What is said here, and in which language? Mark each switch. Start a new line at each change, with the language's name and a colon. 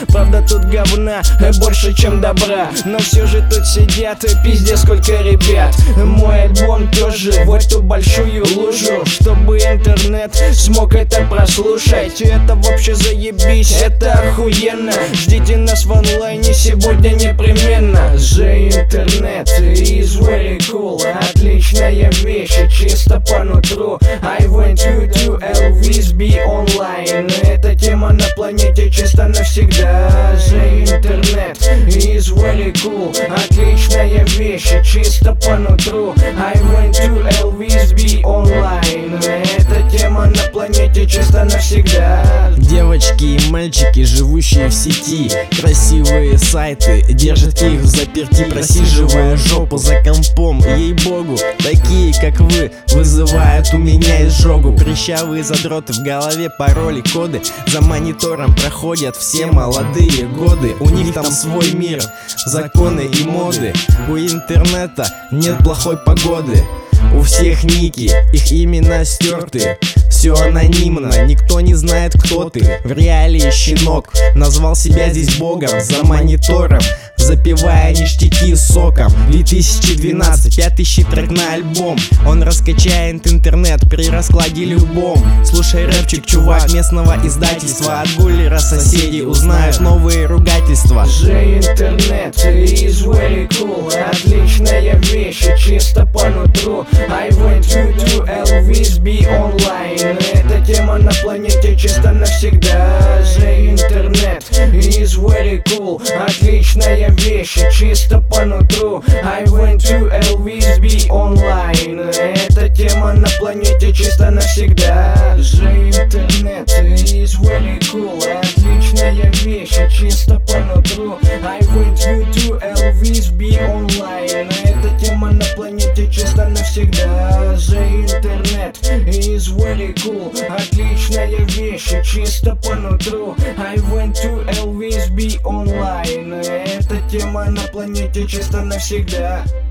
Russian: Правда, тут говна больше, чем добра. Но все же тут сидят и пиздец. Где сколько ребят, мой альбом тоже в эту большую лужу. Чтобы интернет смог это прослушать, это вообще заебись, это охуенно. Ждите нас в онлайне сегодня непременно.
English: The Internet is very cool.
Russian: Отличная вещь, чисто по нутру.
English: I want you to always be online.
Russian: Эта тема на планете чисто навсегда.
English: The Internet is very cool.
Russian: Отличная вещь, чисто по нутру.
English: I want to always be online.
Russian: Эта тема на планете чисто навсегда. Девочки и мальчики, живущие в сети, красивые сайты держат их в заперти. Просиживая жопу за компом, ей-богу, такие как вы вызывают у меня изжогу. Прыщавые задроты в голове, пароли, коды. За монитором проходят все молодые годы. У них там свой мир, законы и моды. У интернета нет плохой погоды. У всех ники, их имена стерты. Все анонимно, никто не знает, кто ты. В реалии щенок назвал себя здесь богом. За монитором, запивая ништяки соком. 2012, пятый щит, трек на альбом. Он раскачает интернет при раскладе любом. Слушай рэпчик, чувак, местного издательства. От гуллера соседи узнают новые ругательства.
English: The Internet is very cool.
Russian: Отличная вещь, чисто по нутру.
English: I want you to always be online.
Russian: Эта тема на планете чисто навсегда.
English: The Internet is very cool.
Russian: Отличная вещи, чисто по нутру.
English: I want to always be online.
Russian: Эта тема на планете чисто навсегда.
English: The Internet is very cool.
Russian: Отличная вещь, чисто по нутру.
English: I want you to always be online.
Russian: Эта тема на планете чисто навсегда.
English: The Internet is very cool.
Russian: Отличная вещь, чисто по нутру.
English: I want to always be online.
Russian: Эта тема на планете чисто навсегда.